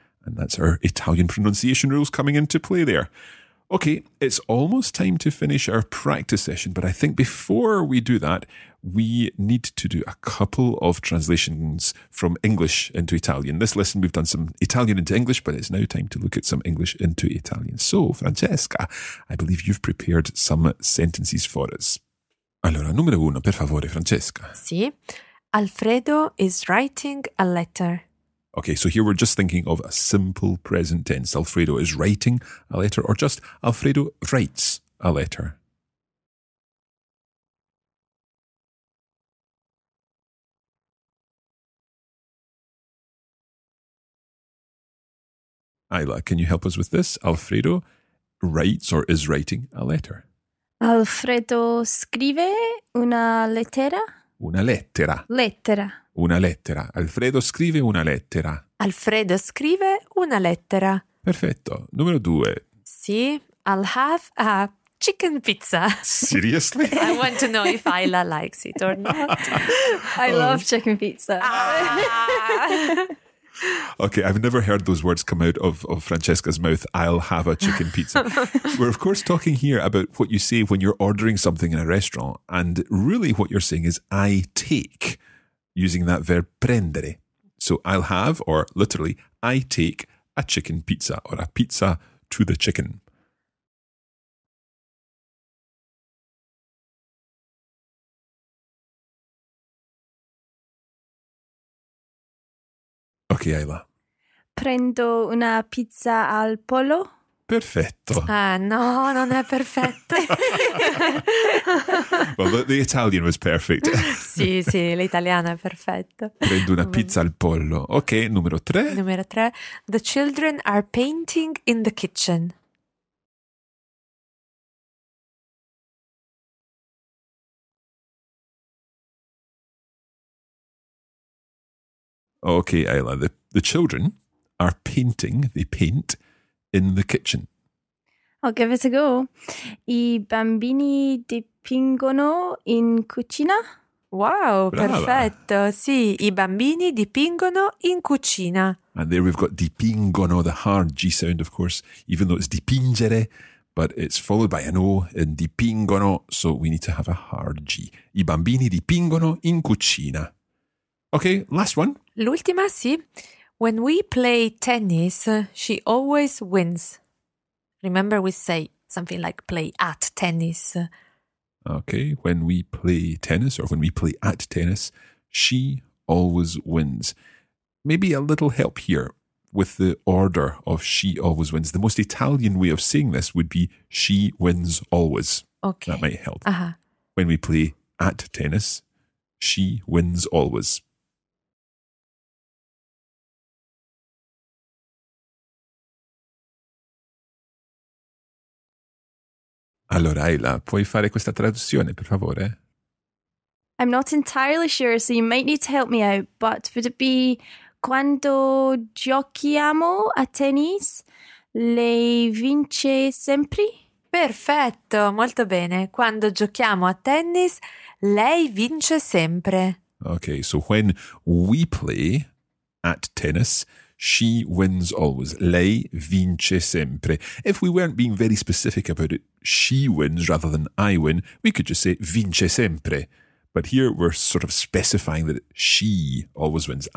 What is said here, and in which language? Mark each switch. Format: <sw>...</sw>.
<en>And that's our Italian pronunciation rules coming into play there. Okay, it's almost time to finish our practice session, but I think before we do that, we need to do a couple of translations from English into Italian. This lesson, we've done some Italian into English, but it's now time to look at some English into Italian. So, Francesca, I believe you've prepared some sentences for us.</en> <it>Allora, numero uno, per favore, Francesca.</it> <en>Sì, Alfredo is writing a letter. Okay, so here we're just thinking of a simple present tense. Alfredo is writing a letter, or just Alfredo writes a letter. Ayla, can you help us with this? Alfredo writes or is writing a letter.</en> <it>Alfredo scrive una lettera. Una lettera. Lettera. Una lettera. Alfredo scrive una lettera. Alfredo scrive una lettera. Perfetto. Numero due.</it> <en>Sì, I'll have a chicken pizza. Seriously? I want to know if Ayla likes it or not. I love chicken pizza. Okay, I've never heard those words come out of Francesca's mouth. I'll have a chicken pizza. We're of course talking here about what you say when you're ordering something in a restaurant. And really what you're saying is I take, using that verb prendere. So I'll have, or literally, I take a chicken pizza, or a pizza to the chicken. Ok, Ayla.</en> <it>Prendo una pizza al pollo. Perfetto. Ah, no, non è perfetto.</it> <en>Well, the Italian was perfect.</en> <it>Sì, sì, l'italiano è perfetto. Prendo una pizza al pollo. Ok, numero tre. Numero tre.</it> <en>The children are painting in the kitchen. Okay, Ayla, the children are painting, they paint, in the kitchen. I'll give it a go.</en> <it>I bambini dipingono in cucina. Wow, brava. Perfetto. Sì, I bambini dipingono in cucina.</it> <en>And there we've got dipingono, the hard G sound, of course, even though it's dipingere, but it's followed by an O in dipingono, so we need to have a hard G.</en> <it>I bambini dipingono in cucina.</it> <en>Okay, last one.</en> <it>L'ultima, sì.</it> <en>When we play tennis, she always wins. Remember we say something like play at tennis. Okay, when we play tennis or when we play at tennis, she always wins. Maybe a little help here with the order of she always wins. The most Italian way of saying this would be she wins always. Okay. That might help. Uh-huh. When we play at tennis, she wins always.</en> <it>Allora, Ayla, puoi fare questa traduzione, per favore?</it> <en>I'm not entirely sure, so you might need to help me out, but would it be</en> <it>quando giochiamo a tennis, lei vince sempre? Perfetto, molto bene. Quando giochiamo a tennis, lei vince sempre.</it> <en>Okay, so when we play at tennis, she wins always.</en> <it>Lei vince sempre.</it> <en>If we weren't being very specific about it, she wins rather than I win, we could just say</en> <it>vince sempre.</it> <en>But here we're sort of specifying that she always wins.</en>